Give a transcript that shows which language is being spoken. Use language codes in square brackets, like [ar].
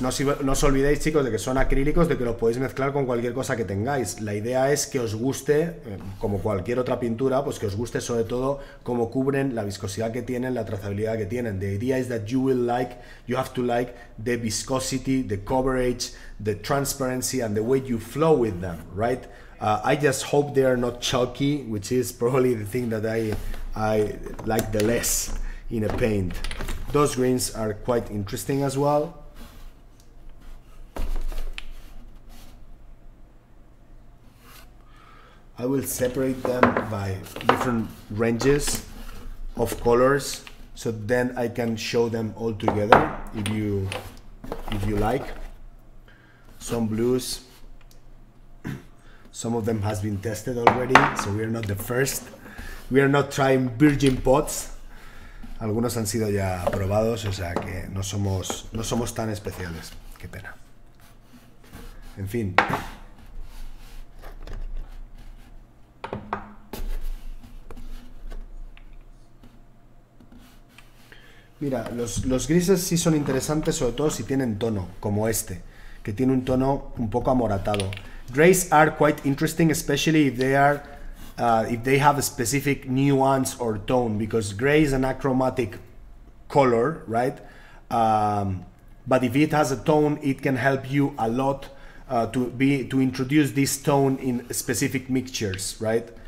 [es] No os olvidéis, chicos, de que son acrílicos, de que los podéis mezclar con cualquier cosa que tengáis. La idea es que os guste, como cualquier otra pintura, pues que os guste sobre todo cómo cubren, la viscosidad que tienen, la trazabilidad que tienen. [en] The idea is that you will like, you have to like the viscosity, the coverage, the transparency and the way you flow with them, right? I just hope they are not chalky, which is probably the thing that I like the less in a paint. Those greens are quite interesting as well. I will separate them by different ranges of colors, so then I can show them all together if you like. Some blues. Some of them has been tested already, so we are not the first. We are not trying virgin pots. [es] Algunos han sido ya probados, o sea que no somos tan especiales. Qué pena. En fin. Mira, los grises sí son interesantes, sobre todo si tienen tono, como este, que tiene un tono un poco amoratado. [en] Grays are quite interesting, especially if they are if they have a specific nuance or tone, because gray is an achromatic color, right? But if it has a tone, it can help you a lot to introduce this tone in specific mixtures, right?